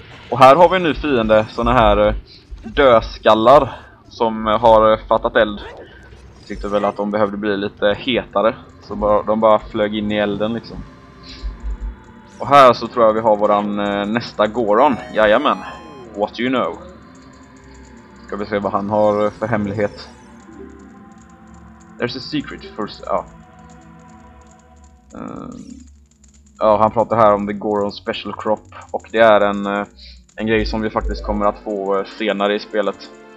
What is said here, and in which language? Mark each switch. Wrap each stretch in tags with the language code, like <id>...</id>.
<sv>Och här har vi en ny fiende, såna här dödskallar som har fattat eld. Tyckte väl att de behövde bli lite hetare, så de bara flög in i elden liksom. Och här så tror jag vi har våran nästa Goron. Jajamän,</sv> <en>what do you know?</en> <sv>Ska vi se vad han har för hemlighet.</sv> <en>There's a secret first,</en> <sv>ja. Ja, han pratar här om</sv> <en>the Goron special crop.</en> <sv>Och det är en grej som vi faktiskt kommer att få senare i spelet.</sv>